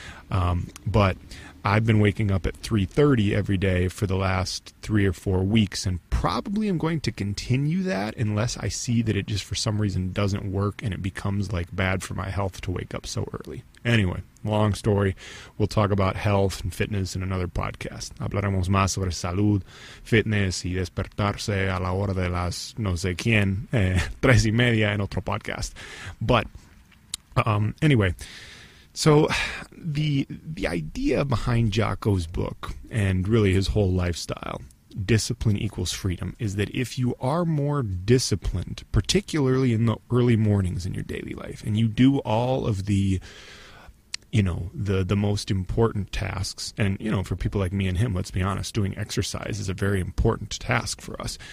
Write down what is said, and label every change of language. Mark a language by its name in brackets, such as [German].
[English] But I've been waking up at 3:30 every day for the last 3 or 4 weeks, and probably I'm going to continue that unless I see that it just for some reason doesn't work and it becomes like bad for my health to wake up so early. Anyway, long story. We'll talk about health and fitness in another podcast. [Spanish] Hablaremos más sobre salud, fitness y despertarse a la hora de las no sé quién, 3:30 en otro podcast. [English] But anyway, so the idea behind Jocko's book and really his whole lifestyle, discipline equals freedom, is that if you are more disciplined, particularly in the early mornings in your daily life, and you do all of the, you know, the most important tasks, and, you know, for people like me and him, let's be honest, doing exercise is a very important task for us.